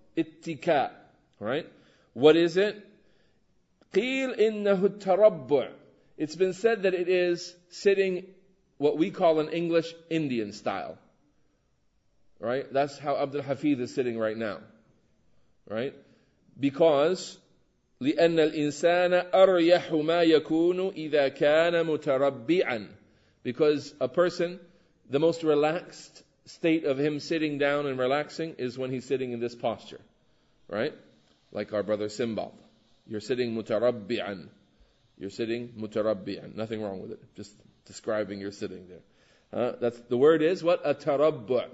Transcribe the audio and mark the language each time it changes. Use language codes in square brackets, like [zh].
[en] Ittika, right? What is it? [ar] Qil innahu tarabbu'. [en] It's been said that it is sitting what we call in English Indian style. Right? That's how Abdul Hafiz is sitting right now. Right? [ar] Because لِأَنَّ الْإِنسَانَ أَرْيَحُ مَا يَكُونُ إِذَا كَانَ مُتَرَبِّعًا. [en] Because a person, the most relaxed state of him sitting down and relaxing is when he's sitting in this posture. Right? Like our brother Simbal. You're sitting mutarabbi'an. You're sitting mutarabbi'an. Nothing wrong with it. Just describing your sitting there. That's the word is what? Atarabbu'.